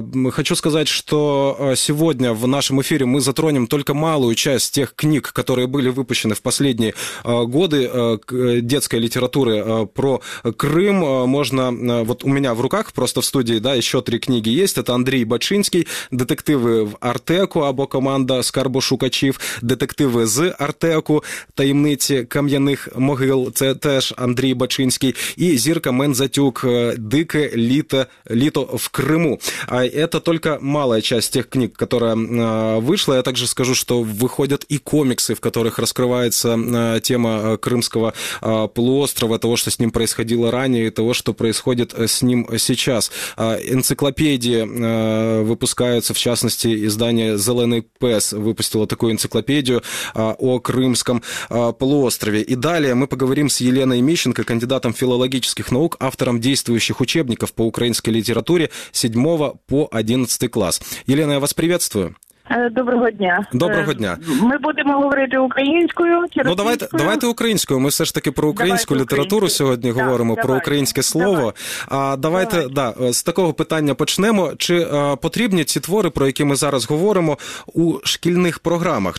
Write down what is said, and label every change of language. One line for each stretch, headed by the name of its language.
Russian: Хочу сказать, что сегодня в нашем эфире мы затронем только малую часть тех книг, которые были выпущены в последние годы детской литературы про Крым. Можно, вот у меня в руках, просто в студии, да, еще три книги есть. Это
Ukrainian: Андрій Бачинський, детективы в Артеку або команда Скарбу Шукачів, детективи з Артеку, таємниці кам'яних могил, це теж Андрій Бачинський, і зірка Мензатюк, дике літо в Криму. А це тільки мала частина тих книг, яка вийшла. Я також скажу, що виходять і комікси, в яких розкривається тема Кримського полуострова, того, що з ним відбувало раніше, і того, що відбувається з ним зараз. Енциклопедії випускаються, в частності, іздання «Зелений пес» випустив
Russian: такую энциклопедию о Крымском полуострове. И далее мы поговорим с Еленой Мищенко, кандидатом филологических наук, автором действующих учебников по украинской литературе 7 по 11 класс. Елена, я вас приветствую.
Ukrainian: Доброго дня. Доброго дня. Ми будемо говорити українською. Ну, давайте українською. Ми все ж таки про українську літературу сьогодні говоримо, про українське слово. Давайте. З такого питання почнемо. Чи потрібні ці твори, про які ми зараз говоримо, у шкільних програмах?